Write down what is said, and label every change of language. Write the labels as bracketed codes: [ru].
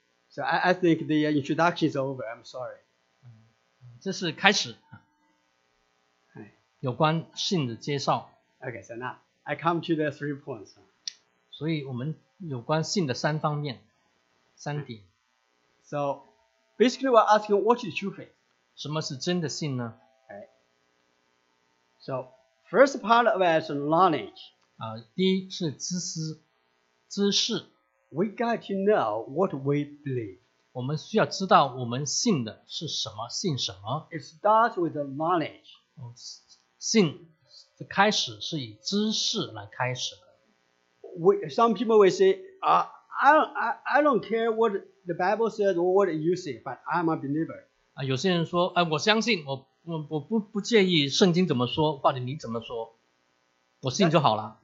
[en] So I think the introduction is over. I'm sorry. [zh] 这是开始。有关信的介绍。 [en] Okay, so now. I come to the three points. [zh] 所以我们有关信的三方面，三点。 [en] So, basically we're asking what is true faith? [zh] 什么是真的信呢？ [en] Okay. So, first part of it is knowledge. [zh] 第一是知识。 [en] We got to know what we believe. [zh] 我们需要知道我们信的是什么，信什么。 [en] It starts with the knowledge. [zh] 信。这开始是以知识来开始的。 [en] Some people will say, I don't care what the Bible says or what you say, but I'm a believer. [zh] 有些人说，我相信，我不介意圣经怎么说，或者你怎么说，我信就好了。